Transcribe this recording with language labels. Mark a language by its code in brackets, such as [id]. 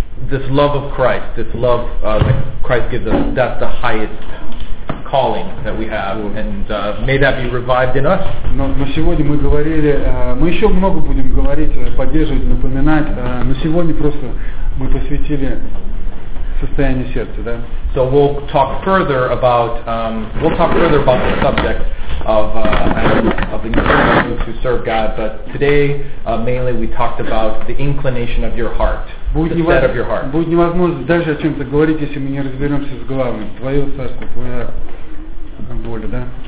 [en] This love of Christ, this love that Christ gives us, that's the highest calling that we have. [ru] Вот. [en] And may that be revived in us. [ru] Но сегодня мы говорили, мы еще много будем говорить, поддерживать, напоминать, но сегодня просто мы посвятили состояние сердца, да? [en] So we'll talk further about the subject of the inclination to serve God, but today mainly we talked about the inclination of your heart, the set of your heart. [ru] Будет невозможно даже о чем-то говорить, если мы не разберемся с главным. Твое царство, твоя воля, да?